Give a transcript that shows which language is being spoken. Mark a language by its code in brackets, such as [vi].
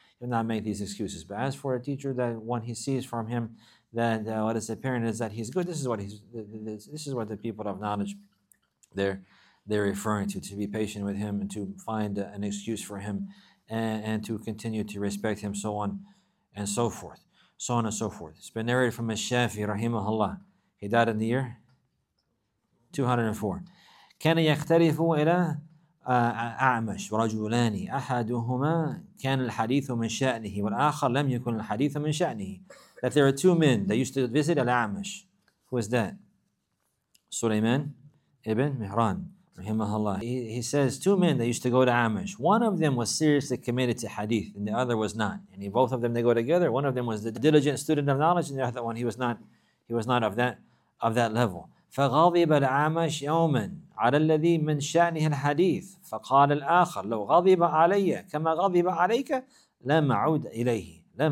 [en] He will not make these excuses. But as for a teacher, that when he sees from him that what is apparent is that he's good, this is what the people of knowledge, they're referring to be patient with him and to find an excuse for him and to continue to respect him, so on and so forth. It's been narrated from Ash-Shafi, rahimahullah. He died in the year 204. [ar] كان يختلف إلى أعمش ورجلان أحدهما كان الحديث من شأنه والآخر لم يكن الحديث من شأنه. [en] That there are two men that used to visit Al-A'mash. Who is that? Sulaiman ibn Mihran, rahimahullah. He says two men that used to go to Amish. One of them was seriously committed to hadith and the other was not. And both of them, they go together. One of them was the diligent student of knowledge and the other one, he was not of that level. [ar] فغضب العامش يوما على الذي من شأنه الحديث فقال الآخر لو غضب علي كما غضب عليك لم أعود إليه.